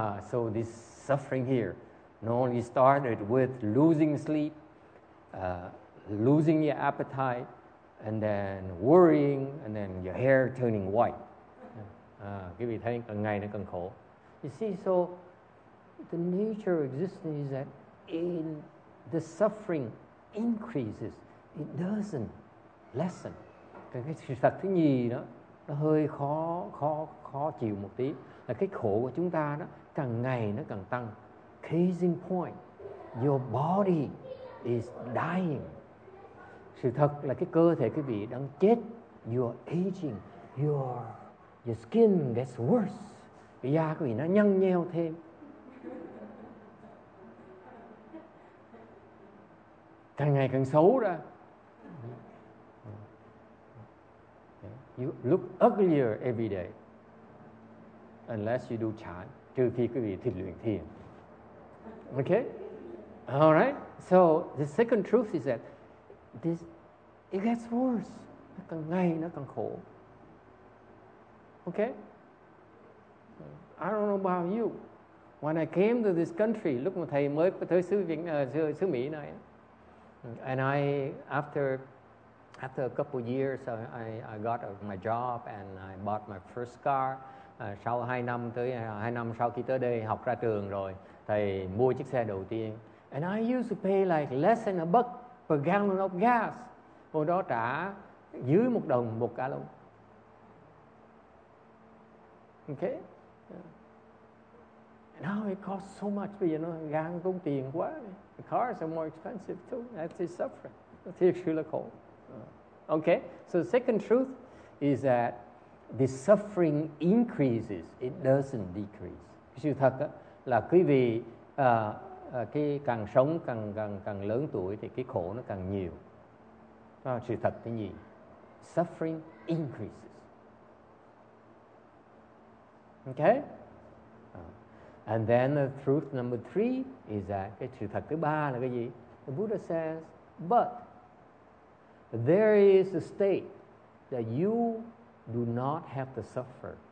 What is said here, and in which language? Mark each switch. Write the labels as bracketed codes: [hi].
[en] So this suffering here, not only started with losing sleep, losing your appetite, and then worrying, and then your hair turning white. [vi] Quý vị thấy càng ngày nó càng khổ. [en] You see, so the nature of existence is that the suffering increases, it doesn't lessen. [vi] Cái sự thật thứ nhì đó, nó hơi khó chịu một tí, là cái khổ của chúng ta đó càng ngày nó càng tăng. [en] Case in point, your body is dying. [vi] Sự thật là cái cơ thể quý vị đang chết. [en] You're aging, your skin gets worse. [vi] Cái da quý vị nó nhăn nheo thêm. Càng ngày càng xấu ra. [en] You look uglier every day. Unless you do chan, [vi] trừ khi quý vị thiền luyện thiền. [en] Okay? All right? So, the second truth is that this, it gets worse. [vi] Nó càng ngày nó càng khổ. [en] Okay? I don't know about you. When I came to this country, [vi] lúc mà thầy mới tới xứ Mỹ này, [en] and I, after a couple of years, I got my job and I bought my first car. [vi] Sau hai năm sau khi tới đây học ra trường rồi, thầy mua chiếc xe đầu tiên. [en] And I used to pay like less than a buck per gallon of gas. [vi] Hồi đó trả dưới một đồng một gallon. [en] Okay? Now it costs so much. [vi] Bây giờ nó gan tốn tiền quá. [en] The cars are more expensive too. That is suffering. [vi] Thiệt sự là khổ. [en] Okay? So the second truth is that the suffering increases. It doesn't decrease. [vi] Sự thật đó, là quý vị cái càng sống càng lớn tuổi thì cái khổ nó càng nhiều. Sự thật thứ nhì. [en] Suffering increases. Okay? And then the truth number three is that, [vi] cái sự thật thứ ba là cái gì? [en] The Buddha says, but there is a state that you do not have to suffer.